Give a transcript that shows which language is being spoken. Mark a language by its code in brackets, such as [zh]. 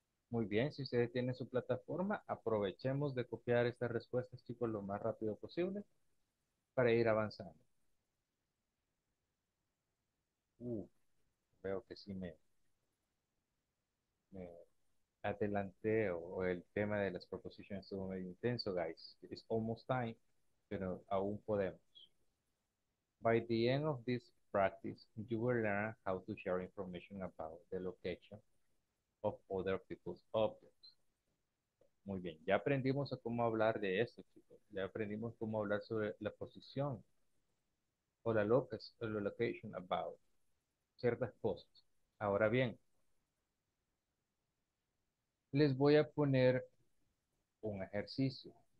[es] Muy bien, si ustedes tienen su plataforma, aprovechemos de copiar estas respuestas, chicos, lo más rápido posible para ir avanzando. Veo que sí me adelanté, o el tema de las proposiciones estuvo medio intenso, guys. [en] It's almost time, [es] pero aún podemos. [en] By the end of this practice, you will learn how to share information about the location of other people's objects. [es] Muy bien, ya aprendimos a cómo hablar de esto, chicos. Ya aprendimos cómo hablar sobre la posición o la locus, o la [en] location about [es] ciertas cosas. Ahora bien, les voy a poner un ejercicio.